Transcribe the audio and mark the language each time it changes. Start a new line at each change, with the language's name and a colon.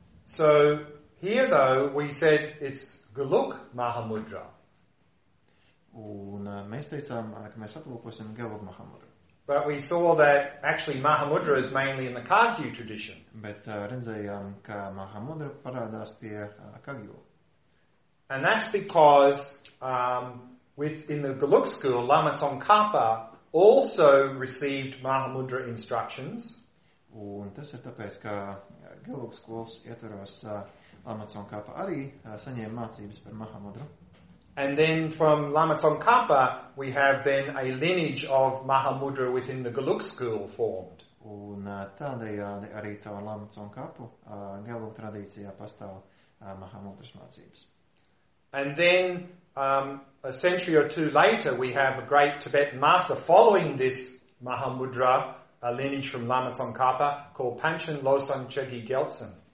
English: So here though we said it's Geluk Mahamudra.
Latvian: Un mēs teicām, ka mēs aplūkosim Geluk Mahamudra.
English: But we saw that actually Mahamudra is mainly in the Kagyu tradition.
Latvian: Bet redzējām, ka Mahamudra parādās pie Kagyu.
English: And that's because within the Geluk school, Lama Tsongkhapa also received Mahamudra instructions.
Latvian: Un tas ir tāpēc, ka Geluk skolas ietvaros Lama Tsongkhapa arī saņēma mācības par Mahamudra.
English: And then from Lama Tsongkhapa, we have then a lineage of Mahamudra within the Geluk school formed.
Latvian: Un tādējādi arī caur Lama Tsongkhapu, Geluk tradīcijā pastāv Mahamudras mācības.
English: And then a century or two later, we have a great Tibetan master following this Mahamudra, a lineage from Lama Tsongkhapa, called Panchen Losang Chögyi Geltsen.